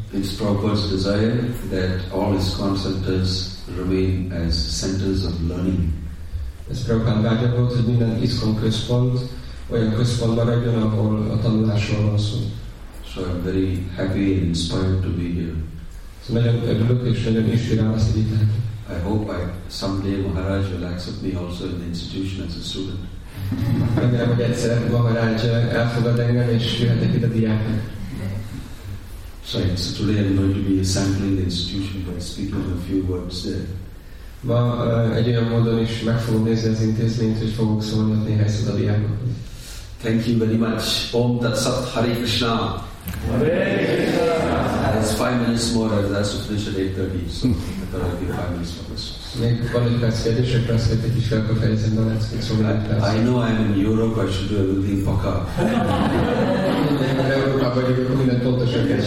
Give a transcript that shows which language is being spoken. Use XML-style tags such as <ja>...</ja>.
<en>It's Prabhupada's desire that all his concentrators remain as centers of learning.</en> <hu>Ez Prabhupád vágya volt, hogy minden ISKCON központ olyan központ maradjon, ahol a tanulásról van szó.</hu> <en>So I'm very happy and inspired to be here.</en> <hu>So nagyon örülök és nagyon inspirál azt, hogy itt lehet.</hu> <en>I hope I someday Maharaj will accept me also in the institution as a student.</en> <hu>Remélem, hogy egyszer Maharaj elfogad engem és jöhetek itt a diákok.</hu> <en>So it's today I'm going to be sampling the institution by speaking a few words there.</en> <hu>Ma egy olyan módon is meg fogom nézni az intézményt, hogy fogok szólni ott néhány szót a diákoknak.</hu> <en>Thank you very much. Om Tat Sat Hare Krishna. Hare Krishna. It's 5 minutes more, as that's official 8:30, so I thought I'd give 5 minutes for questions.</en> <hu>Még van egy perc kérdésekre, azt mondtad, hogy is fel kell fejezni, de lehet, hogy szóval egy perc.</hu> <en>I know I'm in Europe, I should do everything paka.</en> <hu>Európában vagyok, akkor mindent pontosan kell</hu>